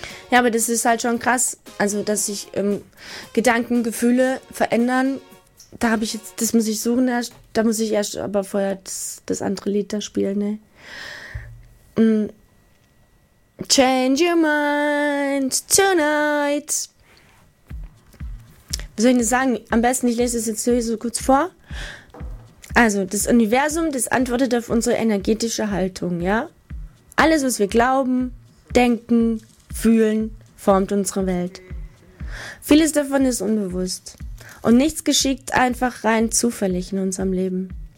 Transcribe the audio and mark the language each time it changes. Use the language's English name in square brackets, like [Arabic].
[German] Ja, aber das ist halt schon krass. Also, dass sich Gedanken, Gefühle verändern. Da habe ich jetzt, das muss ich suchen erst. Da muss ich erst aber vorher das andere Lied da spielen, ne? [English] Change your mind tonight. [German] Was soll ich denn sagen? Am besten, ich lese es jetzt sowieso kurz vor. Also, das Universum, das antwortet auf unsere energetische Haltung, ja? Alles, was wir glauben, denken, fühlen, formt unsere Welt. Vieles davon ist unbewusst. Und nichts geschieht einfach rein zufällig in unserem Leben.